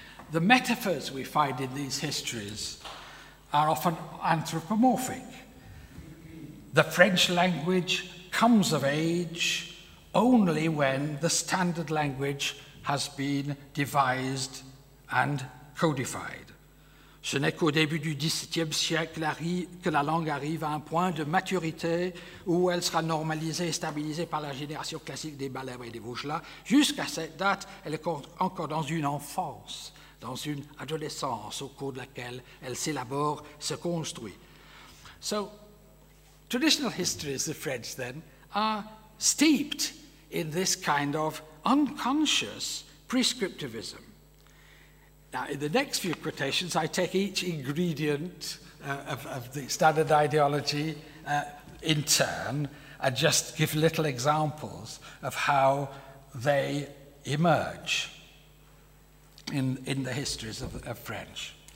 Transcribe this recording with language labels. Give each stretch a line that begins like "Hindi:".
English: The metaphors we find in these histories are often anthropomorphic. The French language comes of age only when the standard language has been devised and codified.
French: Ce n'est qu'au début du XVIIe siècle que la langue arrive à un point de maturité où elle sera normalisée et stabilisée par la génération classique des Balèbres et des Vosgelas. Jusqu'à cette date, elle est encore dans une enfance, dans une adolescence au cours de laquelle elle s'élabore, se construit.
English: So, traditional histories of French then are steeped in this kind of unconscious prescriptivism. Now, in the next few quotations, I take each ingredient of the standard ideology in turn and just give little examples of how they emerge in the histories of French.